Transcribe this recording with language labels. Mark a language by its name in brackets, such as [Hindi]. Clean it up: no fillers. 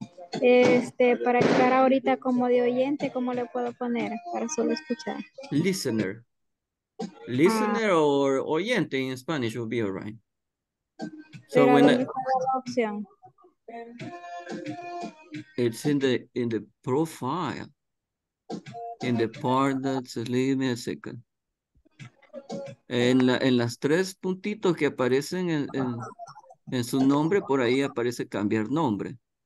[Spanish] Para estar ahorita como de oyente, ¿cómo le puedo poner? Para solo escuchar. [English] Listener. Listener or oyente in Spanish would be all right. So when opción. It's in the profile. In the part that's, leave me a second. [Spanish] En las tres puntitos que aparecen en su nombre, por ahí aparece cambiar nombre.